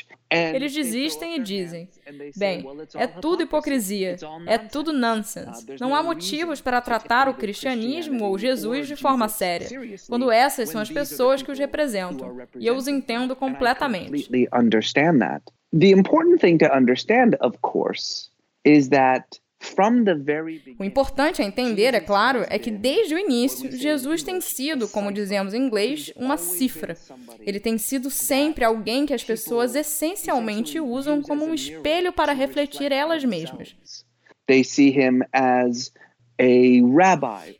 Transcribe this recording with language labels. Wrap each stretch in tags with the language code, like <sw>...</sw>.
<pt>Eles desistem e dizem: bem, é tudo hipocrisia, é tudo nonsense. Não há motivos para tratar o cristianismo ou Jesus de forma séria, quando essas são as pessoas que os representam. E eu os entendo completamente.</pt> <en>The important thing to understand, of course, is that from the very beginning.</en> <pt>O importante a entender, é claro, é que desde o início, Jesus tem sido, como dizemos em inglês, uma cifra. Ele tem sido sempre alguém que as pessoas essencialmente usam como um espelho para refletir elas mesmas.</pt> <en>They see him as a rabbi.</en>